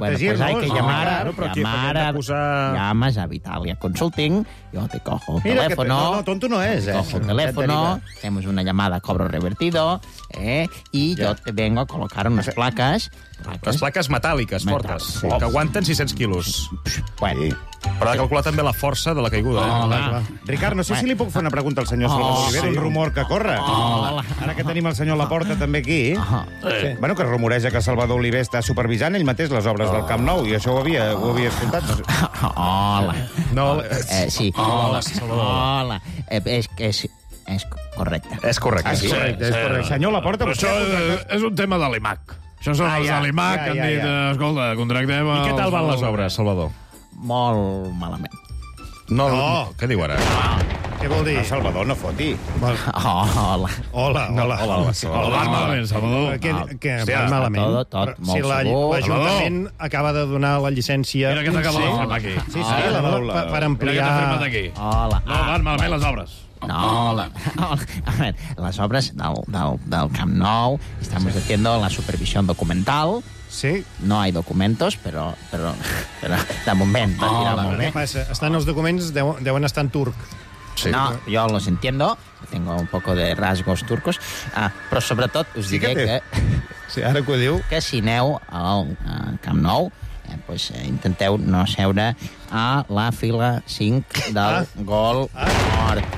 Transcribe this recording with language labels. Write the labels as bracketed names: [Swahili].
[Spanish] Bueno, hay que llamar llames a Vitalia Consulting, jo te cojo el teléfono... [Catalan] Tonto no és, [Spanish] cojo el teléfono, hacemos una llamada a cobro revertido, [Catalan] i jo [Spanish] te vengo a colocar [Catalan] unes plaques... Les plaques metàl·liques, fortes, que aguanten 600 quilos. Bueno... Però ha de calcular també la força de la caiguda. Ricard, no sé si li puc fer una pregunta al senyor Salvador Oliver, un rumor que corre. Ara que tenim el senyor Laporta també aquí, bueno, que rumoreja que Salvador Oliver està supervisant ell mateix les obres del Camp Nou, i això ho havia escoltat. Hola. No, sí. Hola, Salvador. Hola. És correcte. És correcte. És correcte. Sí. Correcte. Senyor Laporta, però això és un tema de l'IMAC. Això són els de l'IMAC que han dit, escolta, contractem... I què tal van les obres, Salvador? Molt malament. No, no. Què diu ara? No. Què vol dir? Salvador, no foti. Hola. Hola, hola. Hola, hola. Hola, malament, Salvador. Què, hòstia, malament? Tot molt segur. Si l'Ajuntament acaba de donar la llicència... Mira què t'acaba de firmar aquí. Sí, sí, la vol per ampliar... Mira què t'ha firmat aquí. Hola. No, van malament les obres. [Spanish] No, a ver, [Catalan] les obres [Spanish] del Camp Nou, estamos haciendo la supervisión documental. Sí. No hay documentos, pero [Catalan] de moment. Estan els documents, deuen estar en turc. [Spanish] Sí. No, yo los entiendo, tengo un poco de rasgos turcos, [Catalan] però sobretot us diré que... Sí, ara que ho diu. Que si aneu al Camp Nou, pues intenteu no seure a la fila 5 del gol mort.